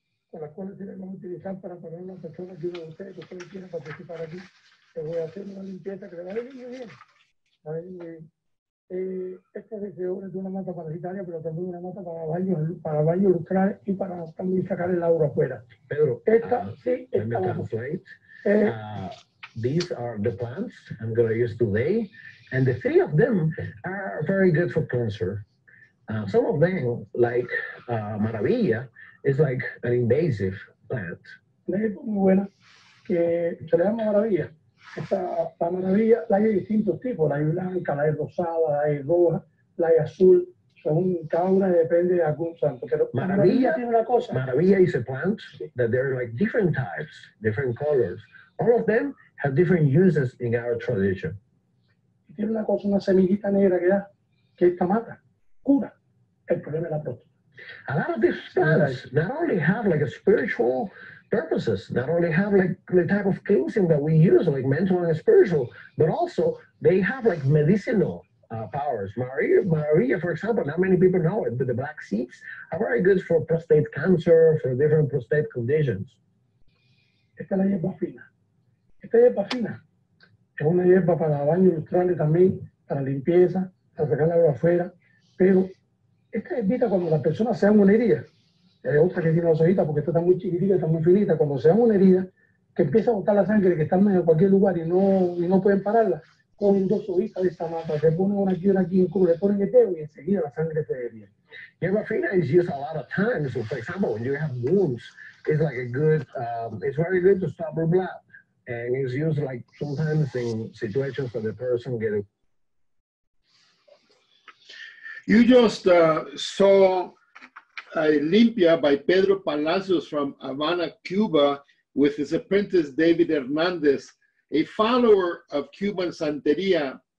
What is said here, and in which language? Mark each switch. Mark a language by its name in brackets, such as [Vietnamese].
[Spanish] Con las cuales queremos utilizar para poner una persona que uno de ustedes que ustedes quieran participar aquí, les voy a hacer una limpieza que le va a venir muy bien. A ver, esta sesión es una mata parasitaria, pero también una mata para baño lustral y para también sacar el agua afuera. Pedro, esta sí está bien. [English] These are the plants I'm going to use today, and the three of them are very good for cancer. Some of them, like maravilla, is like an invasive plant. [Spanish] Es muy buena, que se le llama maravilla. Esta maravilla, la hay distintos tipos, la hay blanca, la hay rosada, la hay roja, la hay azul, según cada una depende de algún santo. Pero maravilla tiene una cosa. [English] Maravilla is a plant that there are like different types, different colors. All of them have different uses in our tradition. [Spanish] Tiene una cosa, una semillita negra que da, que esta mata, cura el problema de la próstata. [English] A lot of these plants not only have like a spiritual purposes, not only have like the type of cleansing that we use, like mental and spiritual, but also they have like medicinal powers. Maria, for example, not many people know it, but the black seeds are very good for prostate cancer, for different prostate conditions. [Spanish] Esta es la hierba fina. Esta hierba fina es una hierba para baño lustrante también, para limpieza, para sacar agua afuera, pero esta hierbita cuando la persona se da una herida, hay otra que tiene las hojitas porque esta está muy chiquitita, está muy finita, cuando se da una herida, que empieza a botar la sangre, que está en medio de cualquier lugar y no pueden pararla, cogen dos hojitas de esta mata, se ponen una aquí y una aquí en culo, le ponen el dedo y enseguida la sangre se derrite. [English] Hierba fina is used a lot of times, so for example, when you have wounds, it's like a good, it's very good to stop the blood, and it's used like sometimes in situations where the person get a... You just saw a limpia by Pedro Palacios from Havana, Cuba, with his apprentice David Hernandez, a follower of Cuban Santeria.